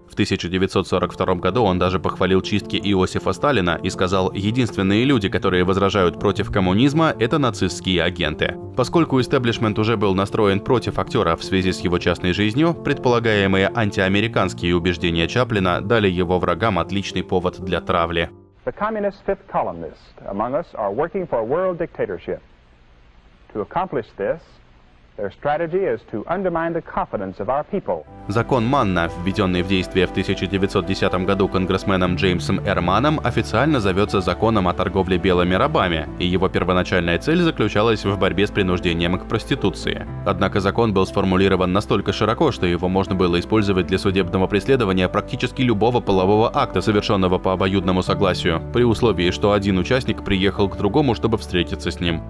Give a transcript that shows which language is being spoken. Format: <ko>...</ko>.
<ru>В 1942 году он даже похвалил чистки Иосифа Сталина и сказал: «Единственные люди, которые возражают против коммунизма, это нацистские агенты». Поскольку истеблишмент уже был настроен против актера в связи с его частной жизнью, предполагаемые антиамериканские убеждения Чаплина дали его врагам отличный повод для травли.</ru> <en>The communist fifth columnists among us are working for a world dictatorship. To accomplish this, their strategy is to undermine the confidence of our people.</en> <ru>Закон Манна, введенный в действие в 1910 году конгрессменом Джеймсом Р. Манном, официально зовется законом о торговле белыми рабами, и его первоначальная цель заключалась в борьбе с принуждением к проституции. Однако закон был сформулирован настолько широко, что его можно было использовать для судебного преследования практически любого полового акта, совершенного по обоюдному согласию, при условии, что один участник приехал к другому, чтобы встретиться с ним.</ru>